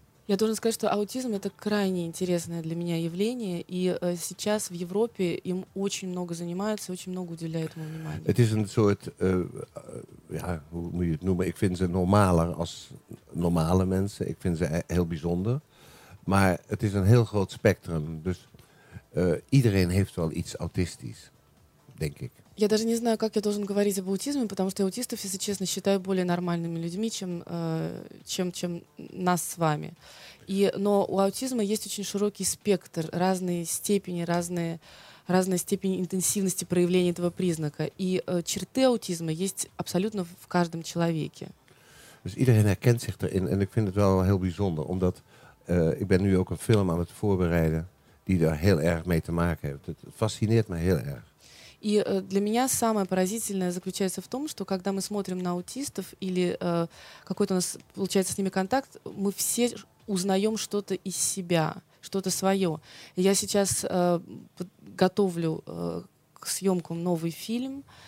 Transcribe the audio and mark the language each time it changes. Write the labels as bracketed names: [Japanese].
[Russian] Я должен сказать, что аутизм это крайне интересное для меня явление, и сейчас в Европе им очень много занимаются, очень много уделяют ему внимания. [Dutch] Это is een soort ja, hoe moet je het noemen? Ik vind ze normaler als normale mensen. Ik vind ze heel bijzonder. Maar het is een heel groot spectrum. Dus iedereen heeft wel iets autistisch, denk ik. [Russian] Я даже не знаю, как я должен говорить об аутизме, потому что аутистов, если честно, считаю более нормальными людьми, чем нас с вами. Но у аутизма есть очень широкий спектр, разные степени интенсивности проявления этого признака. И черты аутизма есть абсолютно в каждом человеке. [Dutch] Dus iedereen herkent zich erin, en ik vind het wel heel bijzonder, omdat ik ben nu ook een film aan het voorbereiden die daar heel erg mee te maken heeft. Het fascineert me heel erg. [Russian] И для меня самое поразительное заключается в том, что когда мы смотрим на аутистов или какой-то у нас получается с ними контакт, мы все узнаем что-то из себя, что-то свое. Я сейчас готовлю к съемкам новый фильм.